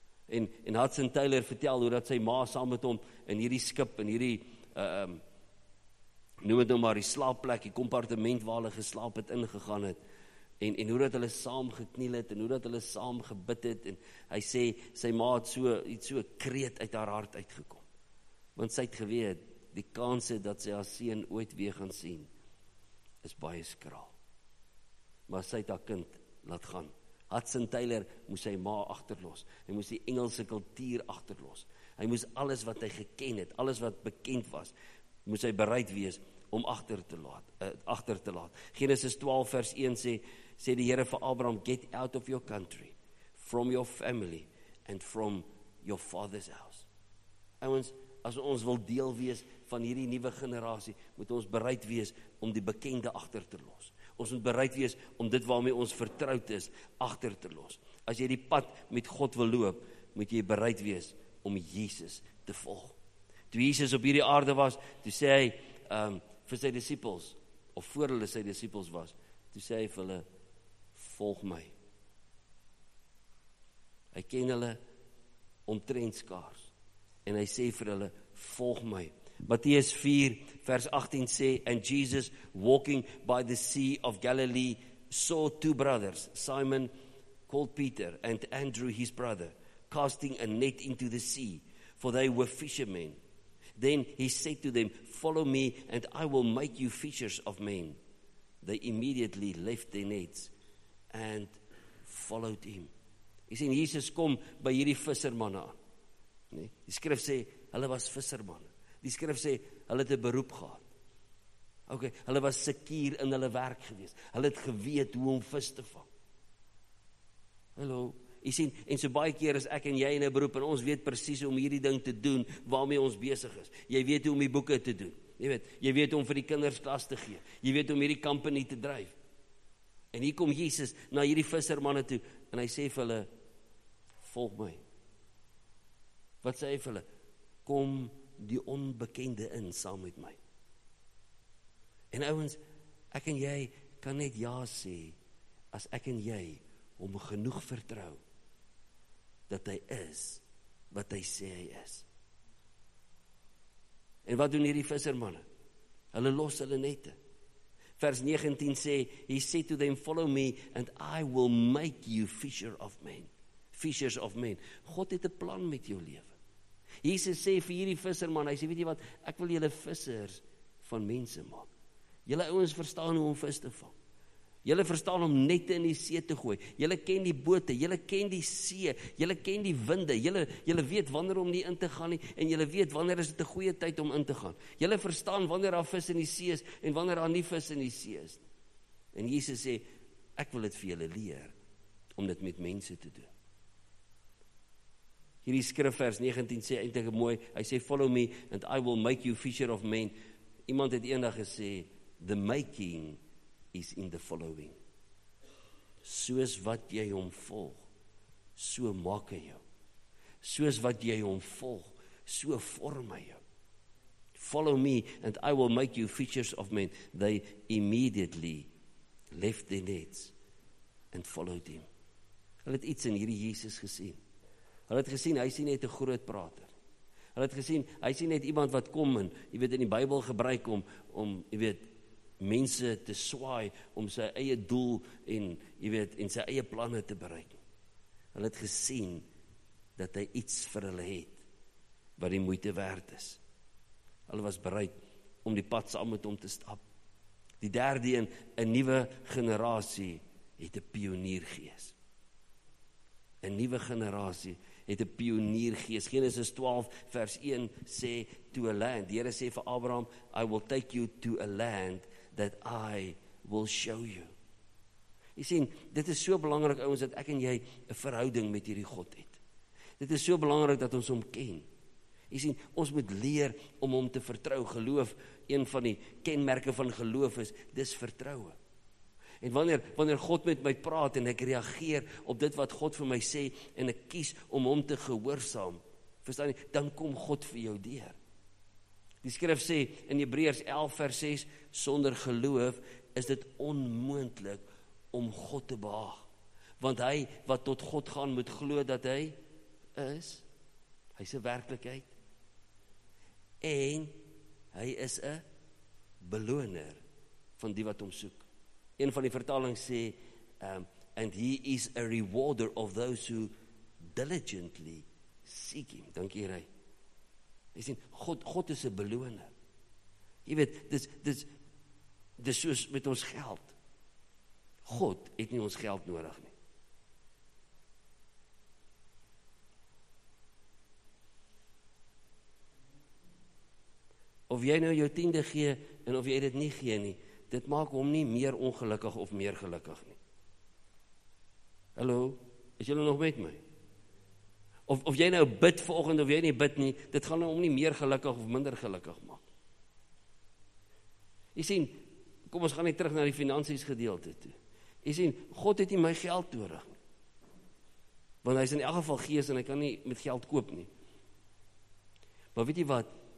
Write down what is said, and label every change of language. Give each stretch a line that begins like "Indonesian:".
Afrikaans: En Hudson Taylor vertel hoe dat sy ma saam met hom, in hierdie skip, in hierdie noem het nou maar die slaapplek, die compartiment waar hulle geslaap het, ingegaan het, en hoe dat hulle saam gekniel het, en hoe dat hulle saam gebid het, en hy sê, sy ma het so kreet uit haar hart uitgekom, want sy het geweet, die kans het dat sy haar seun ooit weer gaan sien, is baie skraal, maar sy het haar kind laat gaan, Hudson Taylor moes sy ma achterlos, hy moes die Engelse kultuur achterlos, hy moes alles wat hy geken het, alles wat bekend was, moes hy bereid wees om achter te laat. Genesis 12 vers 1 sê die Here vir Abraham,
English: get out of your country, from your family, and from your father's house.
Afrikaans: Ouens, as ons wil deel wees van hierdie nuwe generasie, moet ons bereid wees om die bekende achter te los. Ons moet bereid wees om dit waarmee ons vertrouwd is, achter te los. As jy die pad met God wil loop, moet jy bereid wees om Jesus te volg. Toe Jesus op hierdie aarde was, toe sê hy vir sy disciples, of voor hulle sy disciples was, toe sê hy vir hulle, volg my. Hy ken hulle omtrent skaars, en hy sê vir hulle, volg my. Matteus 4 vers 18 sê,
English: and Jesus walking by the sea of Galilee, saw two brothers, Simon called Peter, and Andrew his brother, casting a net into the sea, for they were fishermen. Then he said to them, follow me, and I will make you fishers of men. They immediately left their nets and followed him.
Afrikaans: Hy sê, Jesus kom by hierdie vissermanne aan. Nee? Die skrif sê, hulle was vissermanne. Die skrif sê, hulle het 'n beroep gehad. Okay, hulle was sekuur in hulle werk gewees. Hulle het geweet hoe om vis te vang. Hallo. Jy sien, en so baie keer is ek en jy in 'n beroep, en ons weet precies om hierdie ding te doen, waarmee ons besig is. Jy weet hoe om die boeke te doen. Jy weet om vir die kinders klas te gee. Jy weet om hierdie kampanie te drijf. En hier kom Jesus na hierdie vissermanne toe, en hy sê vir hulle, volg my. Wat sê hy vir hulle? Kom die onbekende in, saam met my. En ouwens, ek en jy kan net ja sê, as ek en jy, om genoeg vertrouw, dat hy is, wat hy sê hy is. En wat doen hierdie vissermanne? Hulle los hulle nette. Vers 19 sê,
English: he said to them, follow me, and I will make you fisher of men. Fishers of men.
Afrikaans: God het 'n plan met jou leven. Jesus sê vir hierdie vissermanne, hy sê, weet jy wat, ek wil julle vissers van mense maak. Julle ouens verstaan hoe om vis te vang. Julle verstaan om nette in die see te gooi. Julle ken die bote, julle ken die see, julle ken die winde, julle weet wanneer om nie in te gaan nie, en julle weet wanneer is dit 'n goeie tyd om in te gaan. Julle verstaan wanneer daar vis in die see is, en wanneer daar nie vis in die see is. En Jesus sê, ek wil dit vir julle leer, om dit met mense te doen. Hierdie skrifvers 19 sê eintlik mooi, hy sê,
English: follow me and I will make you fisher of men.
Afrikaans: Iemand het eendag gesê,
English: the making is in the following.
Afrikaans: Soos wat jy hom volg, so maak hy jou. Soos wat jy hom volg, so vorm hy jou.
English: Follow me and I will make you fishers of men. They immediately left their nets and followed him.
Afrikaans: Hulle het iets in hierdie Jesus gesien. Hulle het gesien, hy sien net 'n groot prater. Hulle het gesien, hy sien net iemand wat kom en, jy weet, in die Bybel gebruik om, jy weet, mense te swaai om sy eie doel en, jy weet, en sy eie planne te bereik. Hulle het gesien dat hy iets vir hulle het wat die moeite werd is. Hulle was bereid om die pad saam met hom te stap. Die derde een, 'n nuwe generasie het 'n pioniergees. 'N nuwe generasie het 'n pioniergees. Genesis 12 vers 1 sê
English: to a land.
Afrikaans: Die Here sê vir Abraham,
English: I will take you to a land that I will show you.
Afrikaans: Jy sien, dit is so belangrik ouens dat ek en jy 'n verhouding met hierdie God het. Dit is so belangrik dat ons hom ken. Jy sien, ons moet leer om hom te vertrou. Geloof, een van die kenmerke van geloof is dis vertroue. En wanneer God met my praat en ek reageer op dit wat God vir my sê en ek kies om hom te gehoorsaam, verstaan jy, dan kom God vir jou deur. Die skrif sê in Hebreërs 11 vers 6, sonder geloof is dit onmoontlik om God te behaag. Want hy wat tot God gaan moet glo dat hy is, hy is 'n werklikheid en hy is 'n beloner van die wat hom soek. Een van die vertalings sê,
English: and he is a rewarder of those who diligently seek him.
Afrikaans: Dankie, Ry. Jy sien, God is 'n beloner. Jy weet, dis soos met ons geld. God het nie ons geld nodig nie. Of jy nou jou tiende gee, en of jy dit nie gee nie, dit maak hom nie meer ongelukkig of meer gelukkig nie. Hallo, is julle nog met my? Of jy nou bid vanoggend of jy nie bid nie, dit gaan hom nie meer gelukkig of minder gelukkig maak. Jy sien, kom ons gaan nie terug na die finansies gedeelte toe. Jy sien, God het nie my geld nodig. Want hy is in elk geval gees en hy kan nie met geld koop nie. Maar weet jy wat?